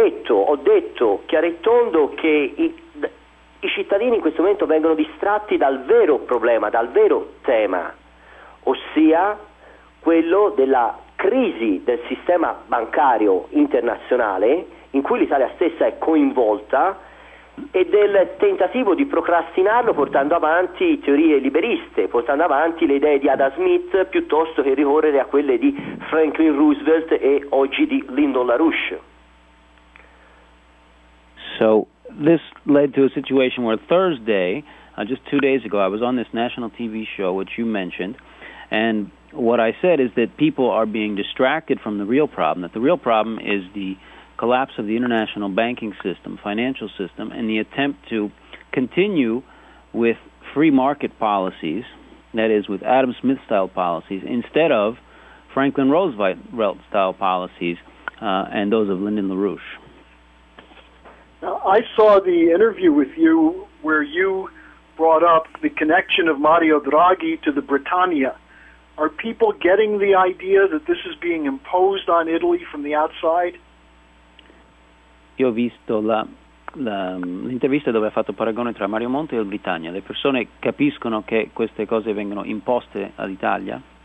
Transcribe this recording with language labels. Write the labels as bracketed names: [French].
[Italian] ho detto chiarettondo che i cittadini in questo momento vengono distratti dal vero problema, dal vero tema, ossia quello della crisi del sistema bancario internazionale in cui l'Italia stessa è coinvolta e del tentativo di procrastinarlo portando avanti teorie liberiste, portando avanti le idee di Adam Smith piuttosto che ricorrere a quelle di Franklin Roosevelt e oggi di Lyndon LaRouche. [English] So this led to a situation where Thursday, just 2 days ago, I was on this national TV show, which you mentioned, and what I said is that people are being distracted from the real problem, that the real problem is the collapse of the international banking system, financial system, and the attempt to continue with free market policies, that is, with Adam Smith-style policies, instead of Franklin Roosevelt-style policies and those of Lyndon LaRouche. Now, I saw the interview with you where you brought up the connection of Mario Draghi to the Britannia. Are people getting the idea that this is being imposed on Italy from the outside? [Italian] Io ho visto l'intervista dove ha fatto paragone tra Mario Monti e il Britannia. Le persone capiscono che queste cose vengono imposte all'Italia?